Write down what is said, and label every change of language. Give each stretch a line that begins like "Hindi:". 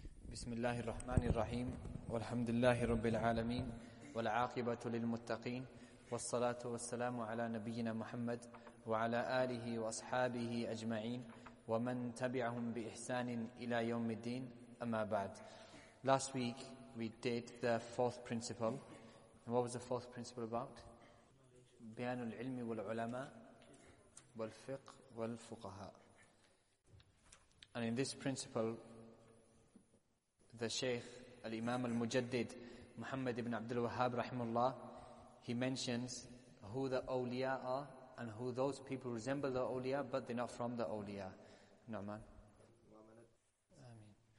Arabic: بسم الله الرحمن الرحيم والحمد لله رب العالمين والعاقبة للمتقين والصلاة والسلام على نبينا محمد وعلى آله وأصحابه أجمعين ومن تبعهم بإحسان إلى يوم الدين أما بعد.
English: Last week we did the fourth principle. And what was the fourth principle about?
Arabic: بيان العلم والعلماء والفقه والفقهاء.
English: And in this principle, the Shaykh, Al-Imam Al-Mujaddid, Muhammad ibn Abdul Wahhab, rahimullah, he mentions who the awliya are and who those people resemble the awliya, but they're not from the awliya. Nu'man. Ameen.